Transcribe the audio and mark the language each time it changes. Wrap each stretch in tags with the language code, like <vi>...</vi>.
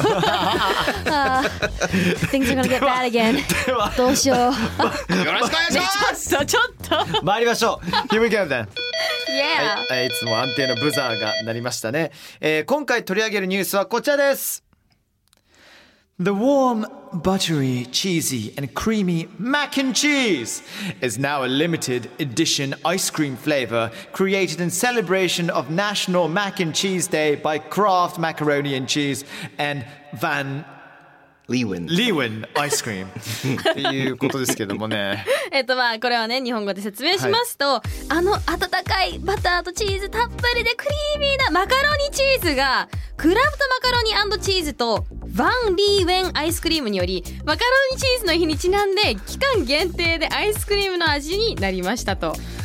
<ja>どうしよう。</ja> <en>Things are gonna get bad again.</en> <ja>どうしよう。よろしくお願いします。ちょっと参りましょう。</ja> <en>Here we go then. Yeah.</en> <ja>はい、いつも安定のブザーが鳴りましたね。今回取り上げるニュースはこちらです。</ja> <en>The warm, buttery, cheesy and creamy mac and cheese is now a limited edition ice cream flavor created in celebration of National Mac and Cheese Day by Kraft Macaroni and Cheese and Van...</en> <ja>Leeuwen ice cream っていうことですけどもね。まあこれはね、日本語で説明しますと、はい、あの温かいバターとチーズたっぷりでクリーミーなマカロニチーズがクラフトマカロニ&チーズとヴァン・リーウェンアイスクリームによりマカロニチーズの日にちなんで期間限定でアイスクリームの味になりましたと。</ja>